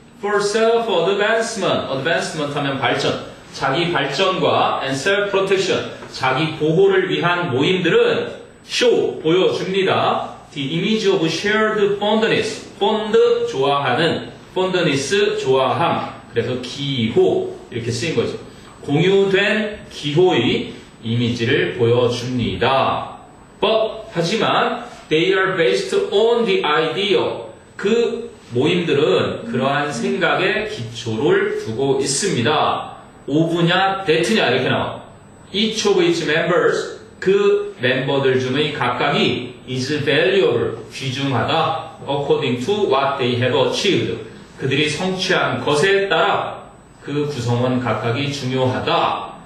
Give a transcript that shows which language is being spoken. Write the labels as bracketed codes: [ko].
[en] For self advancement, advancement [ko] 하면 발전, 자기 발전과 [en] and self protection, [ko] 자기 보호를 위한 모임들은 [en] show, [ko] 보여줍니다. [en] The image of shared fondness, fond, [ko] 좋아하는, [en] fondness, [ko] 좋아함, 그래서 기호 이렇게 쓰인 거죠. 공유된 기호의 이미지를 보여줍니다. [en] But, [ko] 하지만 [en] they are based on the idea. [ko] 그 모임들은 그러한 생각에 기초를 두고 있습니다. 오브냐, 데트냐 이렇게 나와. [en] Each of its members, [ko] 그 멤버들 중의 각각이 [en] is valuable, [ko] 귀중하다. [en] According to what they have achieved, [ko] 그들이 성취한 것에 따라 그 구성원 각각이 중요하다.